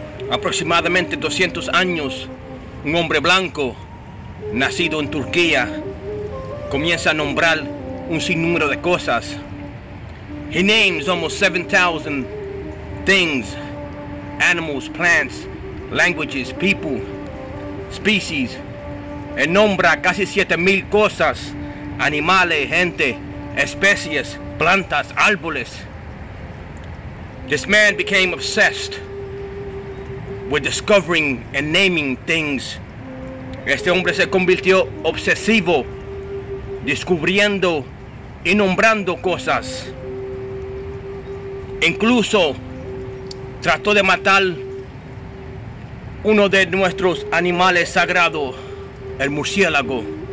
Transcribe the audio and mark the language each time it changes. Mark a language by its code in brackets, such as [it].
[es] Aproximadamente 200 años, un hombre blanco nacido en Turquía comienza a nombrar un sinnúmero de cosas. [en] He names almost 7,000 things, animals, plants, languages, people, species. [es] Él nombra casi 7,000 cosas, animales, gente, especies, plantas, árboles. [en] This man became obsessed with discovering and naming things. [es] Este hombre se convirtió obsesivo descubriendo y nombrando cosas. Incluso trató de matar uno de nuestros animales sagrados, el murciélago.